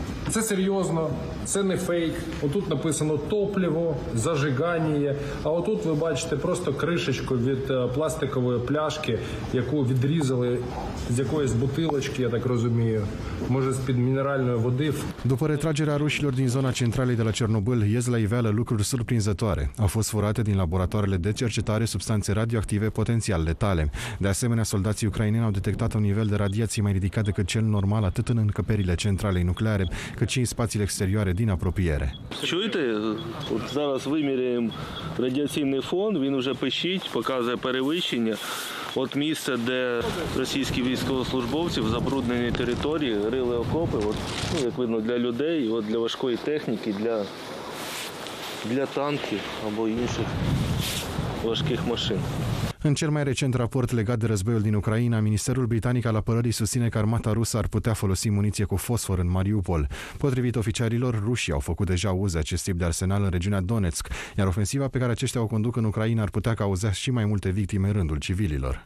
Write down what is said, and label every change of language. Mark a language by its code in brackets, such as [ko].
[uk] Це серйозно, це не фейк. Отут написано топливо, зажигання. А отут ви бачите просто кришечку від пластикової пляшки, яку відрізали з якоїсь бутилочки, я так розумію. Може, з-під мінеральної води. [ro] După retragerea rușilor din zona centralei de la Cernobâl, ies la iveală lucruri surprinzătoare. Au fost furate din laboratoarele de cercetare substanțe radioactive potențial letale. De asemenea, soldații ucraineni au detectat un nivel de radiație mai ridicat decât cel normal atât în încăperile centralei nucleare, cât și în spațiile exterioare din apropiere. [uk] Чуєте? От зараз виміряємо радіаційний фон, він вже пищить, показує перевищення. От місце, де російські військовослужбовці в забрудненій території рили окопи, от, ну, як видно, для людей, от для важкої техніки, для для танків або інших важких машин. [ro] În cel mai recent raport legat de războiul din Ucraina, Ministerul Britanic al Apărării susține că armata rusă ar putea folosi muniție cu fosfor în Mariupol. Potrivit oficialilor, rușii au făcut deja uz de acest tip de arsenal în regiunea Donetsk, iar ofensiva pe care aceștia o conduc în Ucraina ar putea cauza și mai multe victime în rândul civililor.